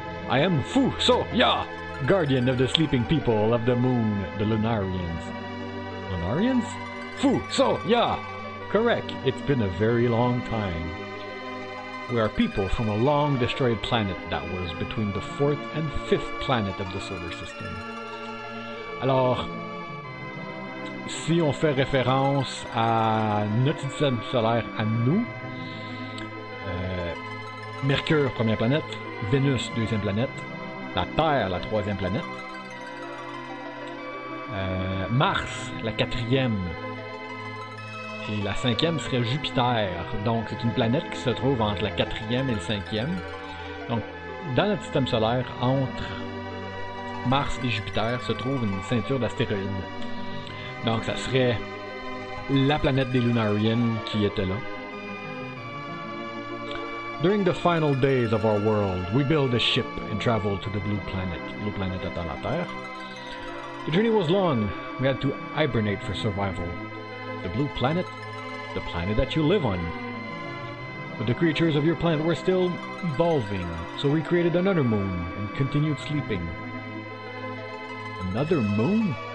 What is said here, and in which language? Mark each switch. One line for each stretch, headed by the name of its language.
English: I am Fu So Ya, guardian of the sleeping people of the moon, the Lunarians. Lunarians? Fu So Ya! Correct, it's been a very long time. We are people from a long destroyed planet that was between the fourth and fifth planet of the solar system.
French: Alors, si on fait référence à notre système solaire à nous, Mercure, première planète, Vénus, deuxième planète, la Terre, la troisième planète, Mars, la quatrième. Et la cinquième serait Jupiter. Donc, c'est une planète qui se trouve entre la quatrième et le cinquième. Donc, dans notre système solaire, entre Mars et Jupiter, se trouve une ceinture d'astéroïdes. Donc, ça serait la planète des Lunarians qui était là.
English: During the final days of our world, we build a ship and travel to the blue planet.
French: Blue planète étant la Terre.
English: The journey was long. We had to hibernate for survival. The blue planet, the planet that you live on. But the creatures of your planet were still evolving, so we created another moon and continued sleeping. Another moon?